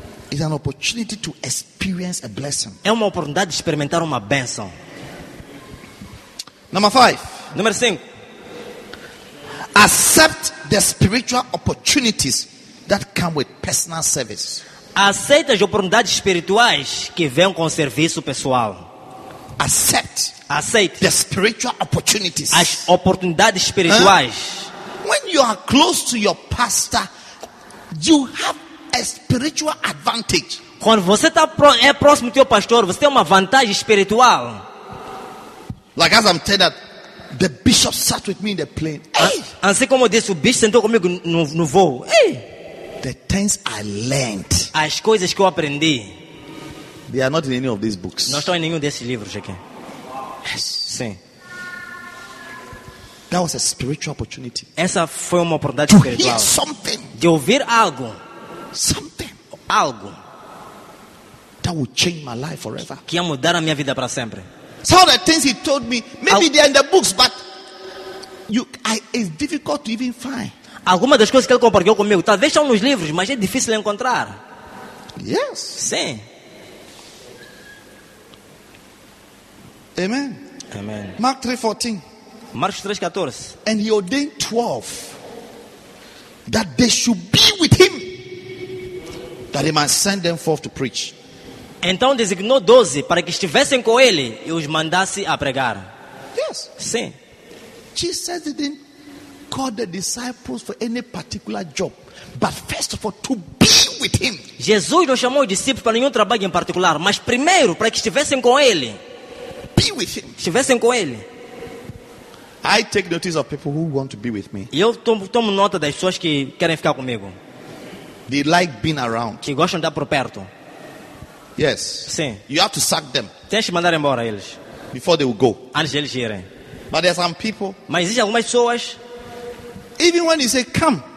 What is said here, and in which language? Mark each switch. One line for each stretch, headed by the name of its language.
English: Is an opportunity to experience a blessing.
Portuguese: É uma oportunidade de experimentar uma bênção.
English: Number 5.
Portuguese: Número 5.
English: Accept the spiritual opportunities that come with personal service.
Portuguese: Aceita as oportunidades espirituais que vêm com serviço pessoal.
English: Accept the spiritual opportunities.
Portuguese: As oportunidades espirituais. Huh?
English: When you are close to your pastor, you have a spiritual advantage.
Portuguese: Quando você está próximo do teu pastor, você tem uma vantagem espiritual.
English: Like as I'm telling that the bishop sat with me in the plane.
Portuguese: Assim como disse, o bispo sentou comigo no voo.
English: The things I learned.
Portuguese: As coisas que eu aprendi.
English: They are not in any of these books.
Portuguese: Não estão em nenhum desses livros aqui.
English: Yes.
Portuguese: Sim.
English: That was a spiritual opportunity.
Portuguese: Essa foi uma oportunidade
English: to
Portuguese: espiritual.
English: Hear something.
Portuguese: De ouvir algo.
English: Something,
Portuguese: algo
English: that will change my life forever.
Portuguese: Que ia mudar a minha vida para sempre.
English: Some of the things he told me, maybe they're in the books, but it's difficult to even find.
Portuguese: Algumas das coisas que ele compartilhou comigo, talvez estão nos livros, mas é difícil encontrar.
English: Yes.
Portuguese: Sim.
English: Amen.
Portuguese: Amen.
English: Mark 3:14.
Portuguese: Marcos 3:14.
English: And he ordained 12 that they should be with him. That he might send them forth to preach.
Portuguese: Então designou 12 para que estivessem com ele e os mandasse a pregar.
English: Yes.
Portuguese: Sim.
English: Jesus didn't call the disciples for any particular job, but first of all to be with him.
Portuguese: Jesus não chamou os discípulos para nenhum trabalho em particular, mas primeiro para que estivessem com ele.
English: Be with him.
Portuguese: Estivessem com ele.
English: I take notice of people who want to be with me.
Portuguese: Eu tomo nota das pessoas que querem ficar comigo.
English: They like being around.
Portuguese: Que gostam de estar por perto.
English: Yes.
Portuguese: Sim.
English: You have to sack them.
Portuguese: Tens que mandar embora eles.
English: Before they will go.
Portuguese: Antes de eles irem.
English: But there are some people.
Portuguese: Mas existem algumas pessoas.
English: Even when you say come.